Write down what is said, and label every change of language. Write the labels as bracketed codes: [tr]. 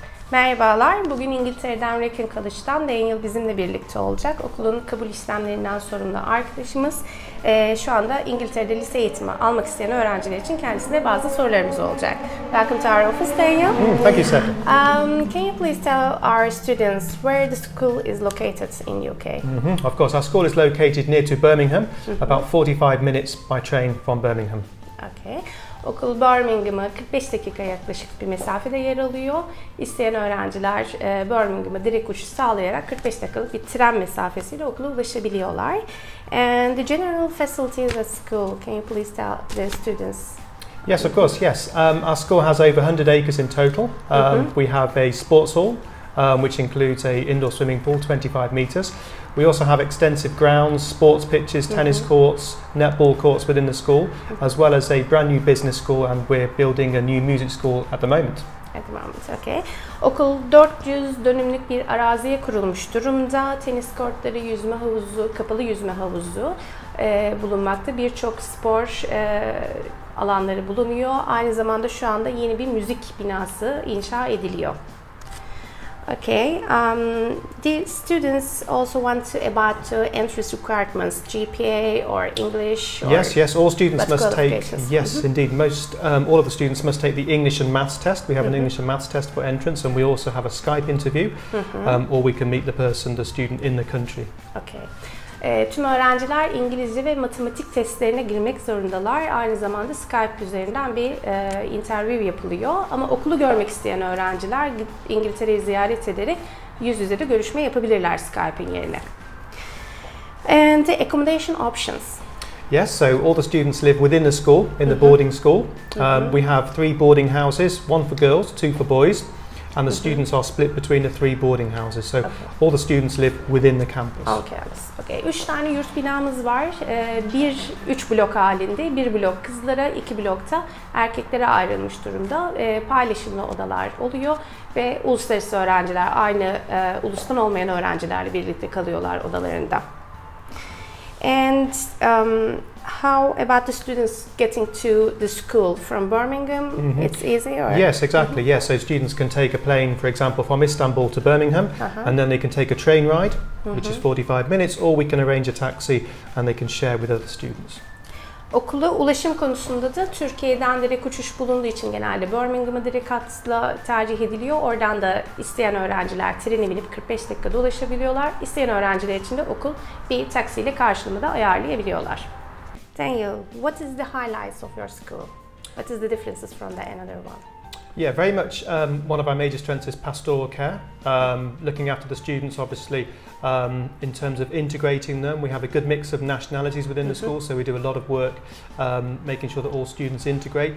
[tr] Merhabalar, bugün İngiltere'den Wrekin College'dan Daniel bizimle birlikte olacak. Okulun kabul işlemlerinden sorumlu arkadaşımız. Şu anda İngiltere'de lise eğitimi almak isteyen öğrenciler için kendisine bazı sorularımız olacak. [en] Welcome to our office, Daniel. Thank you, sir. Can you please tell our students where the school is located in UK? Of course, our school is located near to Birmingham, about 45 minutes by train from Birmingham. Okay. [tr] Okul Birmingham'a 45 dakika yaklaşık bir mesafede yer alıyor. İsteyen öğrenciler Birmingham'a direkt uçuş sağlayarak 45 dakikalık bir tren mesafesiyle okula ulaşabiliyorlar. [en] And the general facilities at school, can you please tell the students? Yes, of course, yes. Our school has over 100 acres in total. We have a sports hall, which includes an indoor swimming pool, 25 meters. We also have extensive grounds, sports pitches, tennis courts, netball courts within the school, as well as a brand new business school, and we're building a new music school at the moment. At the moment, okay. [tr] Okul 400 dönümlük bir araziye kurulmuş durumda. Tenis kortları, yüzme havuzu, kapalı yüzme havuzu bulunmakta. Birçok spor alanları bulunuyor. Aynı zamanda şu anda yeni bir müzik binası inşa ediliyor. [en] Okay, the students also want to about to entry requirements, GPA or English? Or yes, yes, all students must take, yes, indeed, most, all of the students must take the English and Maths test. We have an English and Maths test for entrance, and we also have a Skype interview, or we can meet the person, the student in the country. Okay. [tr] Tüm öğrenciler İngilizce ve matematik testlerine girmek zorundalar. Aynı zamanda Skype üzerinden bir interview yapılıyor. Ama okulu görmek isteyen öğrenciler İngiltere'yi ziyaret ederek yüz yüze de görüşme yapabilirler Skype'in yerine. [en] And the accommodation options. Yes, so all the students live within the school, in the boarding school. We have three boarding houses, one for girls, two for boys. And the students are split between the three boarding houses. So all the students live within the campus. [tr] Okay. 3 tane yurt binamız var. 3 blok halinde. 1 blok kızlara, 2 blokta erkeklere ayrılmış durumda. Paylaşımlı odalar oluyor ve uluslararası öğrenciler aynı ulustan olmayan öğrencilerle birlikte kalıyorlar odalarında. [en] And how about the students getting to the school from Birmingham? It's easy, or? Yes, exactly. Yes, so students can take a plane, for example, from Istanbul to Birmingham, and then they can take a train ride, which is 45 minutes, or we can arrange a taxi and they can share with other students. [tr] Okula ulaşım konusunda da Türkiye'den direkt uçuş bulunduğu için genelde Birmingham'a direkt hatla tercih ediliyor. Oradan da isteyen öğrenciler trene binip 45 dakikada ulaşabiliyorlar. İsteyen öğrenciler için de okul bir taksiyle karşılığını da ayarlayabiliyorlar. [en] Daniel, what is the highlights of your school? What is the differences from the another one? Yeah, very much one of our major strengths is pastoral care, looking after the students, obviously, in terms of integrating them. We have a good mix of nationalities within the school, so we do a lot of work making sure that all students integrate.